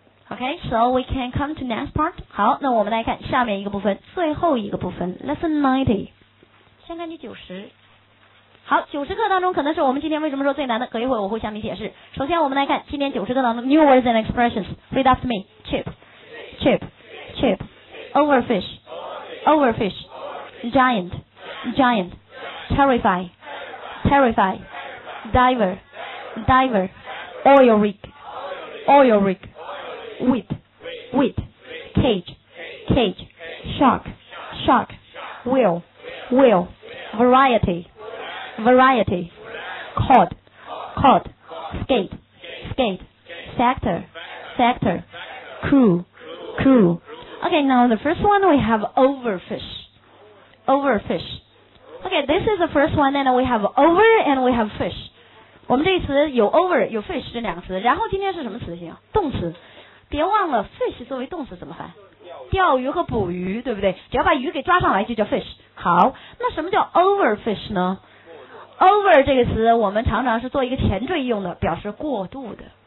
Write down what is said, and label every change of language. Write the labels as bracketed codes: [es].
[en] Okay, so we can come to next part. [zh] 好，那我们来看下面一个部分，最后一个部分 ，Lesson 90。先看第90。好，90课当中可能是我们今天为什么说最难的，隔一会我会向你解释。首先我们来看今天90课当中 ， [en] New words and expressions. Read after me. Chip, chip, chip. Overfish, overfish. Giant, giant. Terrify, terrify. Diver, diver. Oil rig, oil rig. Wheat, wheat, cage, cage, shark, shark, whale, whale, variety, variety, cod, cod, skate, skate, sector, sector, crew, crew. Okay, now the first one we have overfish, overfish. Okay, this is the first one and we have over and we have fish. [zh] 我们这个词有 over, 有 fish 这两个词。然后今天是什么词性？动词。别忘了 fish 作为动词怎么翻？钓鱼和捕鱼，对不对？只要把鱼给抓上来就叫 fish。好，那什么叫 overfish 呢？ over 这个词我们常常是做一个前缀用的，表示过度的。